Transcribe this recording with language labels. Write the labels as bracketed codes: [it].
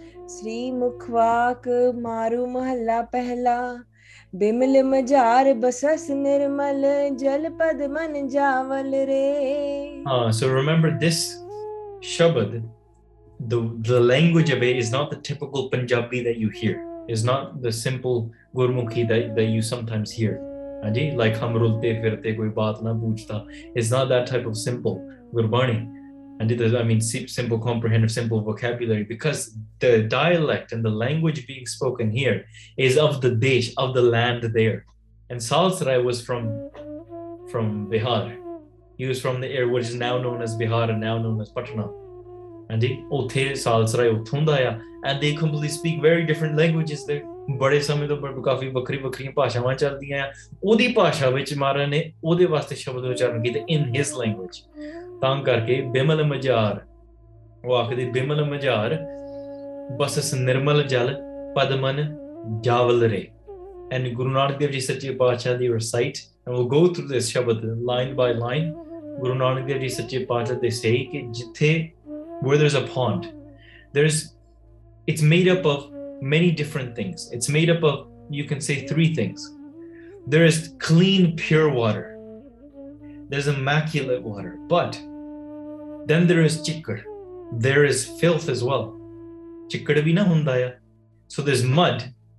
[pa] ਸ੍ਰੀ ਮੁਖ ਵਾਕ ਮਾਰੂ ਮਹੱਲਾ ਪਹਿਲਾ ਬਿਮਲ ਮਜਾਰ ਬਸਸ ਨਿਰਮਲ ਜਲ ਪਦ ਮਨ ਜਾਵਲ ਰੇ [en] ਹਾਂ so remember this shabad the language of it is not the typical Punjabi that you hear is not the simple gurmukhi that you sometimes hear. Haji, like [pa] hum rulte firte koi baat na poochta. [en] It's not that type of simple gurbani. And it is, I mean, simple comprehensive, simple vocabulary, because the dialect and the language being spoken here is of the desh, of the land there. And Saalasrai was from Bihar. He was from the area which is now known as Bihar and now known as Patna. And he, [pa] othe Saalasrai uthunda aya, [en] and they completely speak very different languages there. [pa] ਬੜੇ ਸਮੇਂ ਤੋਂ ਕਾਫੀ ਵੱਖਰੀ ਵੱਖਰੀਆਂ ਭਾਸ਼ਾਵਾਂ ਚੱਲਦੀਆਂ ਆ ਉਹਦੀ ਭਾਸ਼ਾ ਵਿੱਚ ਮਹਾਰਾਜ ਨੇ ਉਹਦੇ ਵਾਸਤੇ ਸ਼ਬਦ ਉਚਾਰਨ ਕੀਤੇ [en] in his language [pa] ਤਾਂ ਕਰਕੇ ਬਿਮਲ ਮਜਾਰ ਉਹ ਆਖਦੇ ਬਿਮਲ ਮਜਾਰ ਬਸਸ ਨਿਰਮਲ ਜਲ ਪਦਮਨ ਜਾਵਲ ਰੇ ਐਂਡ ਗੁਰੂ ਨਾਨਕ ਦੇਵ ਜੀ ਸੱਚੇ ਪਾਤਸ਼ਾਹ ਦੀ [en] recite go through this shabad line by line [pa] ਗੁਰੂ ਨਾਨਕ ਦੇਵ ਜੀ ਸੱਚੇ ਪਾਤਸ਼ਾਹ ਦੇ ਸਹੀ ਕਿ ਜਿੱਥੇ [en] Where there is a pond there is it's made up of many different things. It's made up of, you can say, three things. There is clean, pure water. There's immaculate water. But then there is chikkar. There is filth as well. [pa] Chikkar bhi na hunda ya. [en] So there's mud.